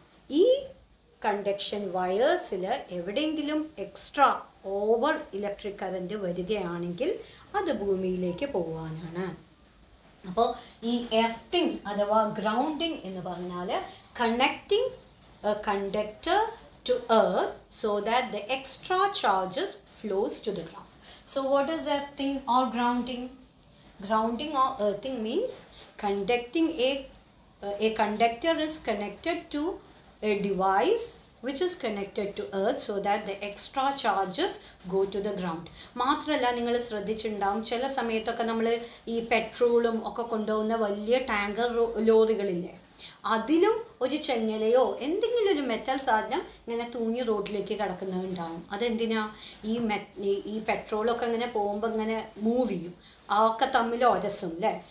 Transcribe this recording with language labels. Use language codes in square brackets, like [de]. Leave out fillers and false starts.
[ml] ഈ കണ്ടക്ഷൻ വയേഴ്സിൽ എവിടെയെങ്കിലും extra over electric current വരികയാണെങ്കിൽ അത് ഭൂമിയിലേക്ക് പോകാനാണ്. അപ്പോൾ ഈ എർത്തിങ് അഥവാ ഗ്രൗണ്ടിങ് എന്ന് പറഞ്ഞാൽ [en] Connecting a conductor to earth so that the extra charges flows to the ground. So what is earthing or grounding? Grounding or earthing means conducting a conductor is connected to a device which is connected to earth so that the extra charges go to the ground. [ml] മാത്രമല്ല, നിങ്ങൾ ശ്രദ്ധിച്ചിട്ടുണ്ടാവും ചില സമയത്തൊക്കെ നമ്മൾ ഈ പെട്രോളും ഒക്കെ കൊണ്ടുപോകുന്ന വലിയ ടാങ്കർ ലോറികളില്ലേ, അതിലും ഒരു ചെങ്ങലയോ എന്തെങ്കിലും ഒരു മെറ്റൽ സാധനം ഇങ്ങനെ തൂങ്ങി റോഡിലേക്ക് കിടക്കുന്നുണ്ടാവും. അതെന്തിനാ? ഈ പെട്രോളൊക്കെ ഇങ്ങനെ പോകുമ്പോൾ ഇങ്ങനെ മൂവ് ചെയ്യും, ആ ഒക്കെ തമ്മിൽ ഒരസും അല്ലേ.